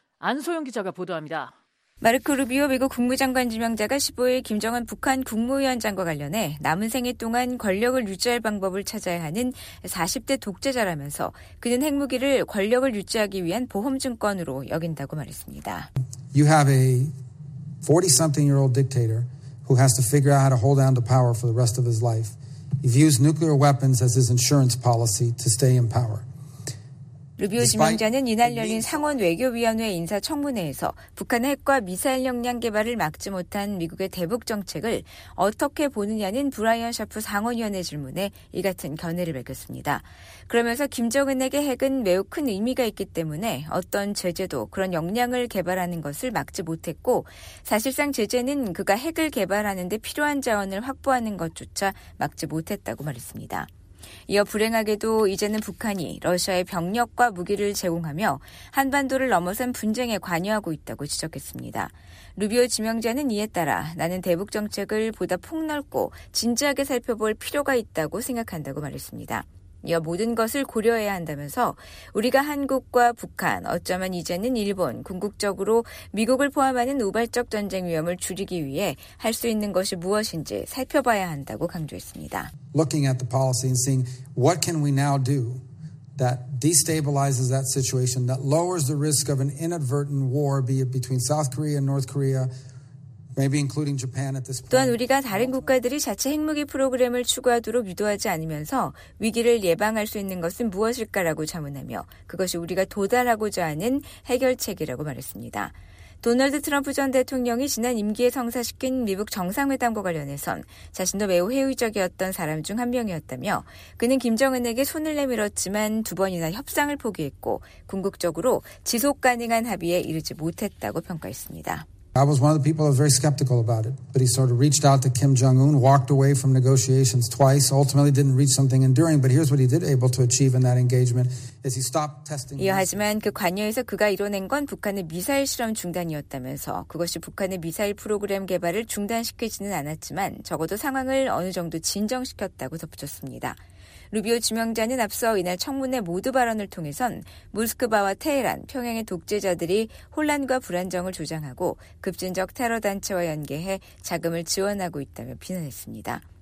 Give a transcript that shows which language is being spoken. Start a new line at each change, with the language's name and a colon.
Korean: 안소영 기자가 보도합니다. 마르코 루비오 미국 국무장관 지명자가 15일 김정은 북한 국무위원장과 관련해 남은 생애 동안 권력을 유지할 방법을 찾아야 하는 40대 독재자라면서 그는 핵무기를 권력을 유지하기 위한 보험증권으로 여긴다고 말했습니다.
English: You have a 40-something-year-old dictator who has to figure out how to hold on to power for the rest of his life. He views nuclear weapons as his insurance policy to stay in power.
Korean: 루비오 지명자는 이날 열린 상원 외교위원회 인사 청문회에서 북한의 핵과 미사일 역량 개발을 막지 못한 미국의 대북 정책을 어떻게 보느냐는 브라이언 샤프 상원위원의 질문에 이 같은 견해를 밝혔습니다. 그러면서 김정은에게 핵은 매우 큰 의미가 있기 때문에 어떤 제재도 그런 역량을 개발하는 것을 막지 못했고 사실상 제재는 그가 핵을 개발하는 데 필요한 자원을 확보하는 것조차 막지 못했다고 말했습니다. 이어 불행하게도 이제는 북한이 러시아의 병력과 무기를 제공하며 한반도를 넘어선 분쟁에 관여하고 있다고 지적했습니다. 루비오 지명자는 이에 따라 나는 대북 정책을 보다 폭넓고 진지하게 살펴볼 필요가 있다고 생각한다고 말했습니다. 이어 모든 것을 고려해야 한다면서 우리가 한국과 북한, 어쩌면 이제는 일본, 궁극적으로 미국을 포함하는 우발적 전쟁 위험을 줄이기 위해 할 수 있는 것이 무엇인지 살펴봐야 한다고 강조했습니다.
English: Looking at the policy and seeing what can we now do that destabilizes that situation, that lowers the risk of an inadvertent war, be it between South Korea and North Korea, maybe including Japan at this point.
Korean: 또한 우리가 다른 국가들이 자체 핵무기 프로그램을 추구하도록 유도하지 않으면서 위기를 예방할 수 있는 것은 무엇일까라고 자문하며 그것이 우리가 도달하고자 하는 해결책이라고 말했습니다. 도널드 트럼프 전 대통령이 지난 임기에 성사시킨 미국 정상회담과 관련해선 자신도 매우 회의적이었던 사람 중 한 명이었다며 그는 김정은에게 손을 내밀었지만 두 번이나 협상을 포기했고 궁극적으로 지속 가능한 합의에 이르지 못했다고 평가했습니다.
English: I was one of the people who was very skeptical about it, but he sort of reached out to Kim Jong-un, walked away from negotiations twice, ultimately didn't reach something enduring, but here's what he did able to achieve in that engagement, is he stopped testing.
Korean: 하지만 그 관여에서 그가 이뤄낸 건 북한의 미사일 실험 중단이었다면서 그것이 북한의 미사일 프로그램 개발을 중단시키지는 않았지만 적어도 상황을 어느 정도 진정시켰다고 덧붙였습니다. 루비오 지명자는 앞서 이날 청문회 모두 발언을 통해선 모스크바와 테헤란, 평양의 독재자들이 혼란과 불안정을 조장하고 급진적 테러 단체와 연계해 자금을 지원하고 있다며 비난했습니다.